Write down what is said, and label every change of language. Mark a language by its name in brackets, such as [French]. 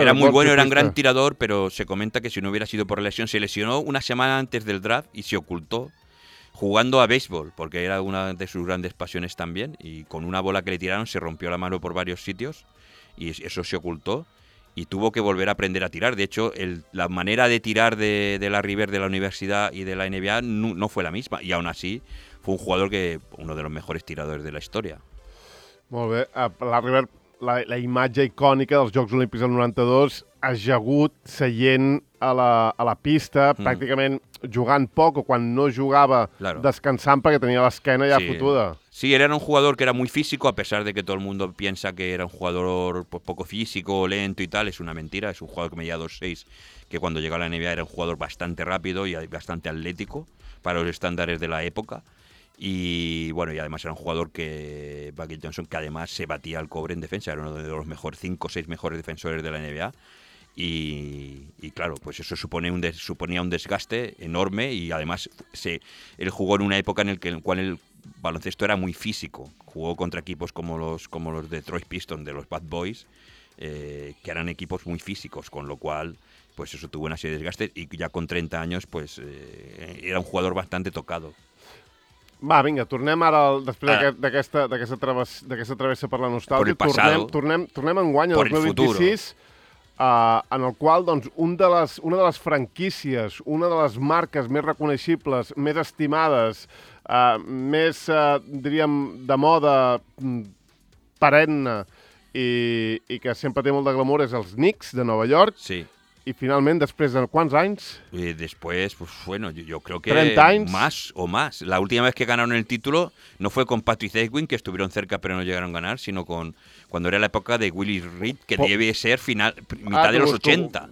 [Spanish] Era muy bueno, era un gran tirador, pero se comenta que si no hubiera sido por lesión, se lesionó una semana antes del draft y se ocultó jugando a béisbol, porque era una de sus grandes pasiones también, y con una bola que le tiraron se rompió la mano por varios sitios y eso se ocultó. Y tuvo que volver a aprender a tirar. De hecho, la manera de tirar de la River, de la universidad y de la NBA no fue la misma. Y aún así, fue un jugador que... uno de los mejores tiradores de la historia. [Catalan] Molt bé. La River, la imatge icònica dels Jocs Olímpics del 92, ajagut, seient a la pista, pràcticament jugant poc o quan no jugava, [Spanish] claro, [Catalan] descansant perquè tenia l'esquena ja fotuda. [Spanish] Sí, era un jugador que era muy físico, a pesar de que todo el mundo piensa que era un jugador pues poco físico, lento y tal. Es una mentira, es un jugador que medía 2'6", que cuando llegó a la NBA era un jugador bastante rápido y bastante atlético para los estándares de la época. Y bueno, y además era un jugador que, Magic Johnson, que además se batía al cobre en defensa, era uno de los mejores 5 o 6 mejores defensores de la NBA. Y claro, pues eso suponía un desgaste enorme y además él jugó en una época en la cual el baloncesto era muy físico. Jugó contra equipos como los Detroit Pistons de los Bad Boys, que eran equipos muy físicos, con lo cual pues eso tuvo una serie de desgastes y ya con 30 años pues era un jugador bastante tocado. [Catalan] Va, vinga, tornem ara, després d'aquesta travessa per la nostàlgia. [Spanish] Por el pasado. [Catalan] Tornem enguany, el 2026. En el qual, doncs, una de les franquícies, una de les marques més reconeixibles, més estimades, diríem, de moda perenne i que sempre té molt de glamour és els Knicks de Nova York. Sí. I finalment, després de quants anys? [Spanish] Después, pues bueno, yo creo que... [Catalan] 30 anys? [Spanish] Más o más. La última vez que ganaron el título no fue con Patrick Ewing, que estuvieron cerca pero no llegaron a ganar, sino con... cuando era la época de Willis Reed, que debe ser mitad de los 80.